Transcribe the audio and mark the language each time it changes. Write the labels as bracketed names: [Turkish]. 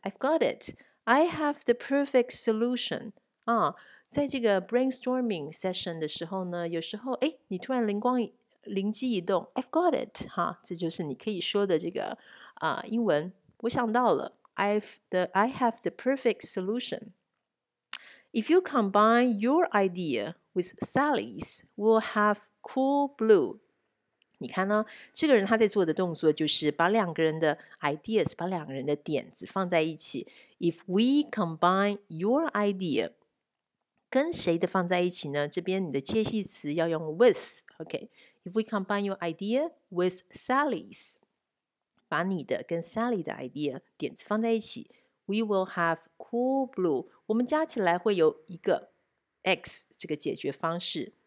[English] I've got it. I have the perfect solution. [Chinese] 啊，在这个 brainstorming session 的时候呢，有时候哎，你突然灵机一动。 [English] I've got it. [Chinese] 哈，这就是你可以说的这个英文。我想到了。 [English] I have the perfect solution. If you combine your idea with Sally's, we'll have cool blue. [Chinese] 你看呢，这个人他在做的动作就是把两个人的 ideas, 把两个人的点子放在一起。 [English] If we combine your idea, [Chinese] 跟谁的放在一起呢？这边你的介系词要用 with, OK? [English] If we combine your idea with Sally's, [Chinese] 把你的跟 Sally 的 idea, 点子放在一起 , [English] we will have cool blue, [Chinese] 我们加起来会有一个 X, 这个解决方式。